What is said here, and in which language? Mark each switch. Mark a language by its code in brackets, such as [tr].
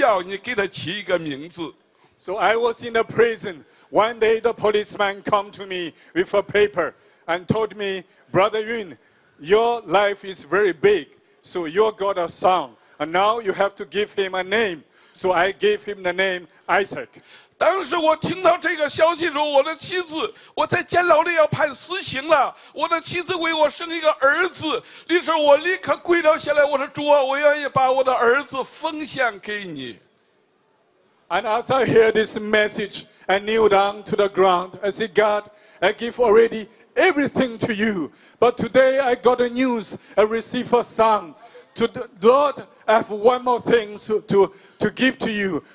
[zh] 天上人云，弟兄，你的命大呀！你现在要枪毙了，但是你的妻子为你生了一个儿子，现在需要你给他起一个名字。 [en] So I was in a prison. One day the policeman come to me with a paper and told me, Brother Yun, your life is very big, so you got a son, and now you have to give him a name. So I gave him the name Isaac. [zh] 当时我听到这个消息的时候，我的妻子，我在监牢里要判死刑了。我的妻子为我生一个儿子，那时候我立刻跪倒下来，我说：“主啊，我愿意把我的儿子奉献给你。” [en] And as I hear this message, I kneel down to the ground. I said, God, I give already everything to you. But today I got a news. I receive a son. To the Lord, I have one more thing to give to you.